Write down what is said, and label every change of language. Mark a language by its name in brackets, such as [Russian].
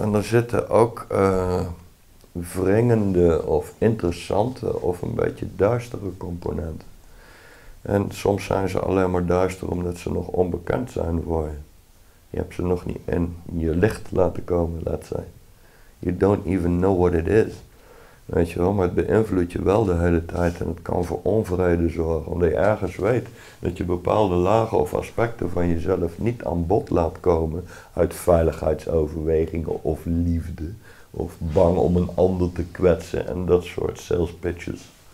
[Dutch] En er zitten ook wringende of interessante of een beetje duistere componenten. En soms zijn ze alleen maar duister omdat ze nog onbekend zijn voor je. Je hebt ze nog niet in je licht laten komen, [English] let's say. You don't even know what it is. [Dutch] Weet je wel, maar het beïnvloedt je wel de hele tijd en het kan voor onvrede zorgen. Omdat je ergens weet dat je bepaalde lagen of aspecten van jezelf niet aan bod laat komen. Uit veiligheidsoverwegingen of liefde. Of bang om een ander te kwetsen en dat soort sales pitches.